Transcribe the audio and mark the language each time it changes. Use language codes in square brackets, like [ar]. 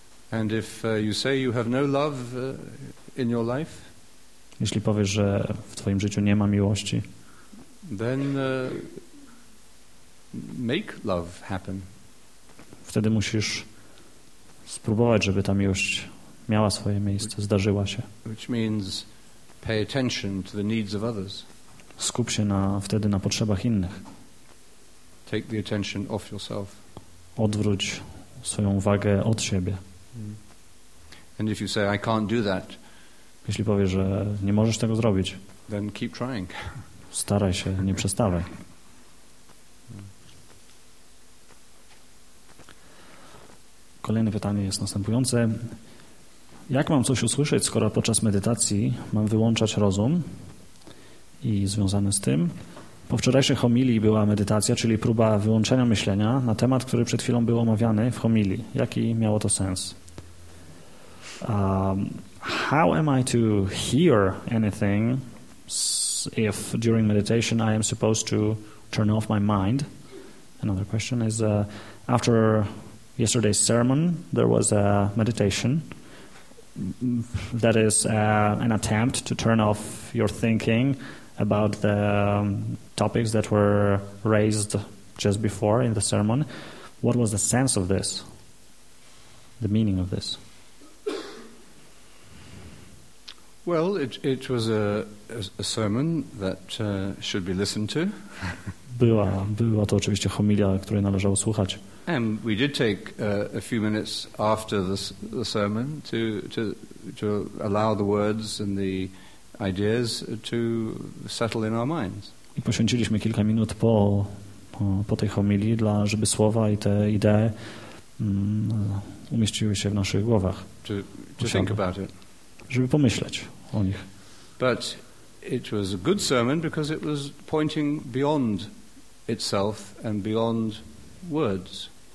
[en] And if you say you have no love in your life, [pl] jeśli powiesz, że w twoim życiu nie ma miłości, [en] then make love happen. [pl] Wtedy musisz spróbować, żeby ta miłość miała swoje miejsce, zdarzyła się. [en] Which means pay attention to the needs of others. [pl] Skup się wtedy na potrzebach innych. [en] Take the attention off yourself. [pl] Odwróć swoją uwagę od siebie. [en] And if you say I can't do that, [pl] jeśli powiesz, że nie możesz tego zrobić, [en] then keep trying. [pl] Staraj się, nie przestawaj. Kolejne pytanie jest następujące. Jak mam coś usłyszeć, skoro podczas medytacji mam wyłączać rozum? I związane z tym, po wczorajszej homilii była medytacja, czyli próba wyłączenia myślenia na temat, który przed chwilą był omawiany w homilii. Jaki miało to sens? [en] How am I to hear anything if during meditation I am supposed to turn off my mind? Another question is, after yesterday's sermon, there was a meditation that is an attempt to turn off your thinking about the topics that were raised just before in the sermon. What was the sense of this, the meaning of this? Well, it was a sermon that should be listened to. [pl] Była to oczywiście homilia, której należało słuchać. [en] And we did take a few minutes after the sermon to allow the words and the ideas to settle in our minds. [pl] I poświęciliśmy kilka minut po tej homilii, żeby słowa i te idee umieściły się w naszych głowach. [en] To think about it. [pl] Żeby pomyśleć. [en] But it was a good sermon because it was pointing beyond itself and beyond words.